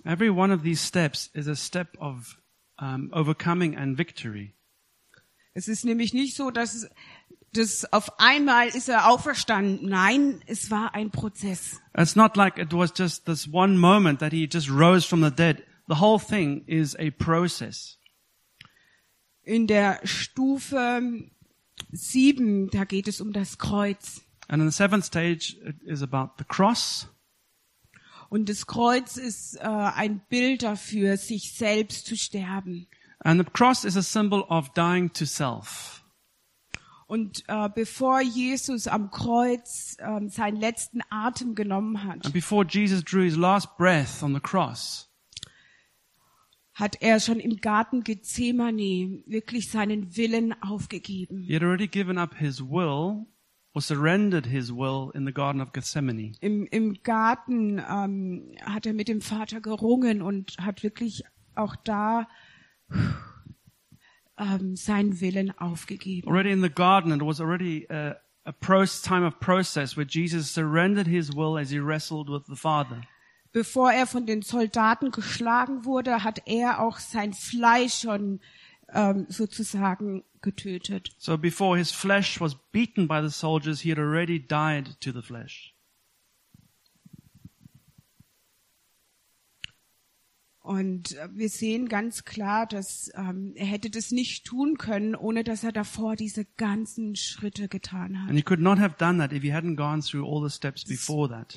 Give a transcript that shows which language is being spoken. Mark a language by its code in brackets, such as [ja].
[en] Every one of these steps is a step of overcoming and victory. [de] Es ist nämlich nicht so, dass das auf einmal ist er auferstanden. Nein, es war ein Prozess. [en] It's not like it was just this one moment that he just rose from the dead. The whole thing is a process. [de] In der Stufe 7, da geht es um das Kreuz. [en] And in the seventh stage, it is about the cross. [de] Und das Kreuz ist ein Bild dafür, sich selbst zu sterben. [en] And the cross is a symbol of dying to self. [de] Und bevor Jesus am Kreuz seinen letzten Atem genommen hat, [en] and before Jesus drew his last breath on the cross, [de] hat er schon im Garten Gethsemane wirklich seinen Willen aufgegeben. [en] He had already given up his will or surrendered his will in the Garden of Gethsemane. [de] Im Garten hat er mit dem Vater gerungen und hat wirklich auch da seinen Willen aufgegeben. [en] Already in the garden, it was already time of process where Jesus surrendered his will as he wrestled with the Father. [de] Bevor er von den Soldaten geschlagen wurde, hat er auch sein Fleisch schon sozusagen getötet. [en] So before his flesh was beaten by the soldiers, he had already died to the flesh. [de] Und wir sehen ganz klar, dass er hätte das nicht tun können, ohne dass er davor diese ganzen Schritte getan hat. [en] And he could not have done that if he hadn't gone through all the steps before that.